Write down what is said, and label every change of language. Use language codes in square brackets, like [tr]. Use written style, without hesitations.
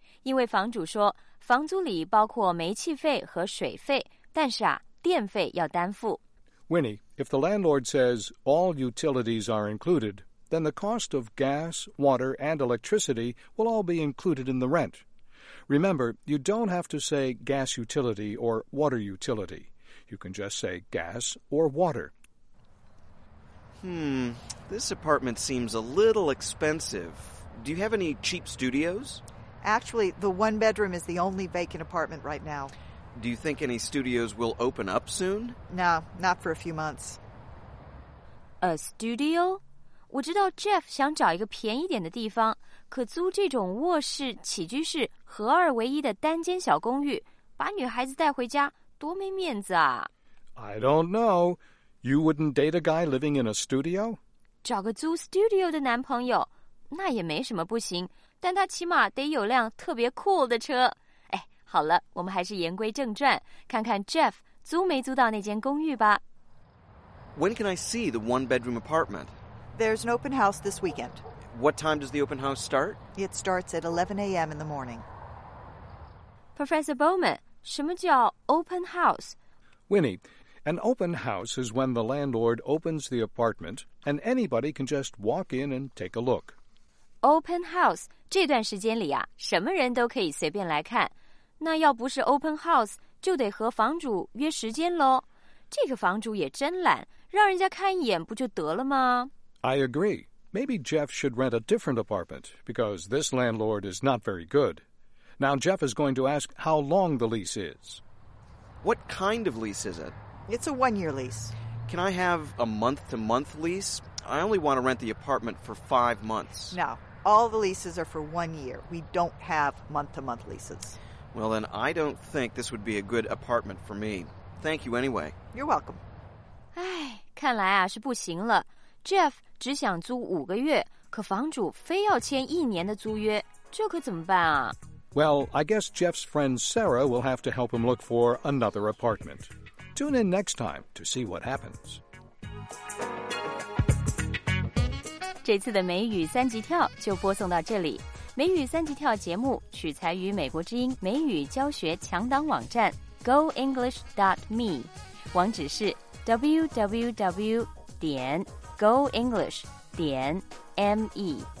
[zh] 因为房主说房租里包括煤气费和水费，但是啊，电费要担负。 [en] Winnie, if the landlord says all utilities are included, then the cost of gas, water, and electricity will all be included in the rent. Remember, you don't have to say gas utility or water utility. You can just say gas or water. This apartment seems a little expensive. Do you have any cheap studios? Actually, the one bedroom is the only vacant apartment right now. Do you think any studios will open up soon? No, not for a few months. A studio? [zh] 我知道 Jeff 想找一个便宜点的地方，可租这种卧室、起居室、合二为一的单间小公寓，把女孩子带回家，多没面子啊。 [en] I don't know. You wouldn't date a guy living in a studio? [zh] 找个租 studio 的男朋友，那也没什么不行，但他起码得有辆特别 cool 的车。哎，好了，我们还是言归正传，看看 Jeff 租没租到那间公寓吧。 [en] When can I see the one-bedroom apartment? There's an open house this weekend. What time does the open house start? It starts at 11 a.m. in the morning. [zh] Professor Bowman, 什么叫 open house? [en] Winnie, an open house is when the landlord opens the apartment and anybody can just walk in and take a look. [zh] Open house, 这段时间里啊，什么人都可以随便来看。那要不是 open house, 就得和房主约时间咯。这个房主也真懒，让人家看一眼不就得了吗？ [en] I agree. Maybe Jeff should rent a different apartment, because this landlord is not very good. Now Jeff is going to ask how long the lease is. What kind of lease is it? It's a one-year lease. Can I have a month-to-month lease? I only want to rent the apartment for 5 months. No, all the leases are for 1 year. We don't have month-to-month leases. Well, then I don't think this would be a good apartment for me. Thank you anyway. You're welcome. [zh] 哎，看来啊，是不行了。 Jeff 只想租五个月，可房主非要签一年的租约，这可怎么办啊？ [en] Well, I guess Jeff's friend Sarah will have to help him look for another apartment. Tune in next time to see what happens. [zh] 这次的美语三级跳就播送到这里。美语三级跳节目取材于美国之音美语教学强档网站 goenglish.me， 网址是 www.goenglish.me。